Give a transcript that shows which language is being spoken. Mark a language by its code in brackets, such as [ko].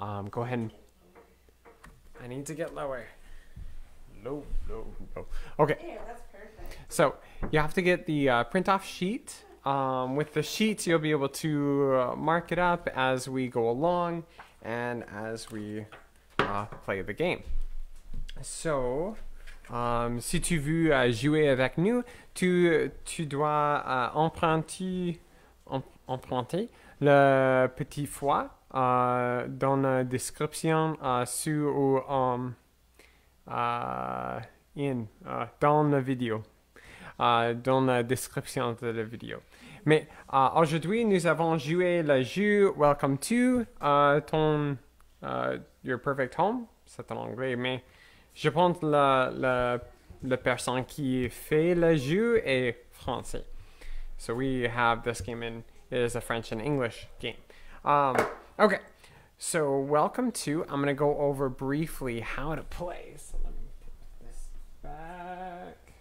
[en] Go ahead and I need to get lower. Low. Okay. Yeah, that's perfect. So you have to get the print off sheet. With the sheets, you'll be able to mark it up as we go along and as we play the game. [fr] So, si tu veux jouer avec nous, tu dois emprunter le petit foie. Dans la description sous ou dans la vidéo, dans la description de la vidéo. Mais aujourd'hui, nous avons joué le jeu Welcome To Your Perfect Home. C'est en anglais, mais je pense que la personne qui fait le jeu est français. [en] So we have this game in, it is a French and English game. Okay, so Welcome To, I'm going to go over briefly how to play. So let me put this back.